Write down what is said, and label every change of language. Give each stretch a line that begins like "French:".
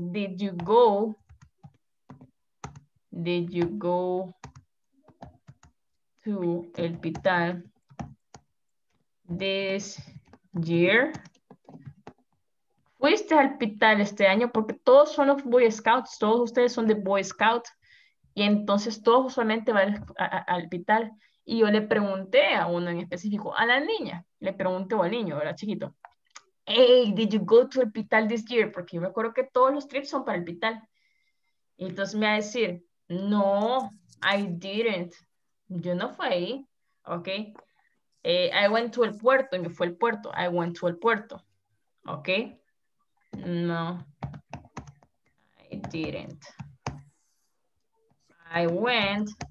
English: Did you go to el Pital this year?
Spanish: ¿Fuiste al Pital este año? Porque todos son los Boy Scouts, todos ustedes son de Boy Scout, y entonces todos usualmente van al Pital. Y yo le pregunté a uno en específico, a la niña, le pregunté, o al niño, ¿verdad, chiquito?
English: Hey, did you go to the Pital this year?
Spanish: Porque yo me acuerdo que todos los trips son para el Pital. Y entonces me va a decir, no,
English: I didn't.
Spanish: Yo no fui ahí, ¿ok?
English: I went to el puerto,
Spanish: me fue el puerto.
English: I went to el puerto, ¿ok? No, I didn't. I went